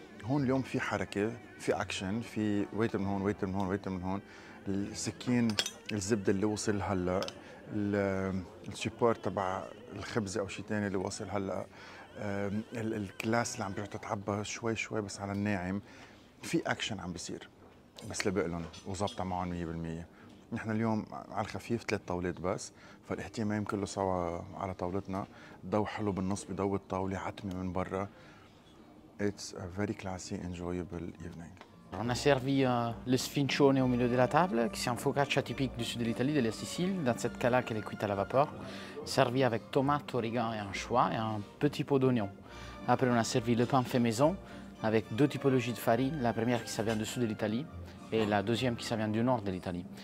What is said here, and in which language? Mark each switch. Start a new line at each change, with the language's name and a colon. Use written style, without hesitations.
Arabic: هون اليوم في حركه في اكشن في ويتر من هون ويتر من هون ويتر من هون السكين الزبده اللي وصل هلا السبورت تبع الخبزه او شيء ثاني اللي وصل هلا الكلاس اللي عم بيروح تتعبى شوي شوي بس على الناعم في اكشن عم بيصير بس لبق لهم وظبطه معهم 100%. نحن اليوم على الخفيف ثلاث طاولات بس فالاهتمام كله سوا على طاولتنا ضو حلو بالنص بضو الطاولة عتمة من برا.
English: It's a very classy enjoyable evening.
French: On a servi le sfincione au milieu de la table, qui est un focaccia typique du sud de l'Italie, de la Sicile, dans cette cala qu'elle est cuite à la vapeur, servi avec tomate, origan et anchois et un petit pot d'oignon. Après, on a servi le pain fait maison avec deux typologies de farine, la première qui vient du sud de l'Italie et la deuxième qui vient du nord de l'Italie.